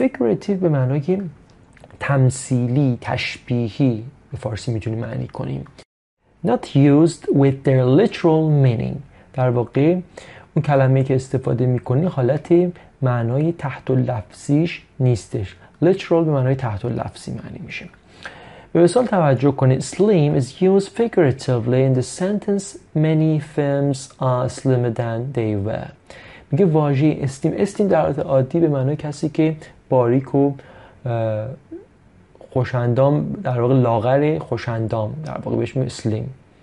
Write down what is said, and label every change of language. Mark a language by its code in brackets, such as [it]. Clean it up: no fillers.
[fa] figurative به معنای تمثیلی، تشبیهی به فارسی میتونیم معنی کنیم. [en] not used with their literal meaning. [fa] در واقع اون کلمه که استفاده میکنی حالت معنای تحت لفظیش نیستش. literal به معنای تحت لفظی معنی میشه. به مثال توجه کنید، [en] slim is used figuratively in the sentence many films are slimmer than they were. [fa] میگه واژه استیم، استیم در حالت عادی به معنای کسی که باریک و خوشندام، در واقع لاغر خوشندام، در واقع بهش میگه سلیم.